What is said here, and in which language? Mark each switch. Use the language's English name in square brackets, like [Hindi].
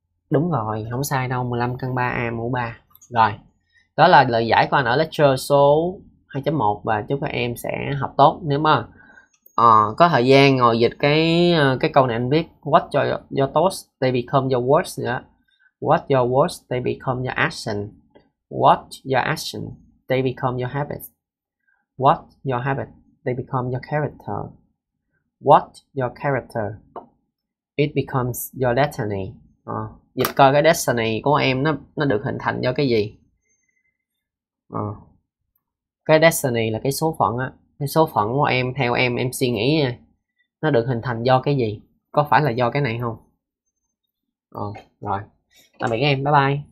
[Vietnamese] Đúng rồi, không sai đâu, 15 căn 3 a mũ 3. Rồi. Đó là lời giải của anh ở lecture số 2.1 và chúc các em sẽ học tốt. Nếu mà có thời gian ngồi dịch cái câu này anh viết [English] what your thoughts they become your words [Vietnamese] nữa. [English] What your words they become your action. What your action they become your habit. What your habit they become your character. What your character it becomes your destiny. [Vietnamese] Dịch coi cái destiny của em nó được hình thành do cái gì. Cái destiny là cái số phận á, cái số phận của em theo em suy nghĩ nha, nó được hình thành do cái gì, có phải là do cái này không? Rồi. Tạm biệt các em, bye bye.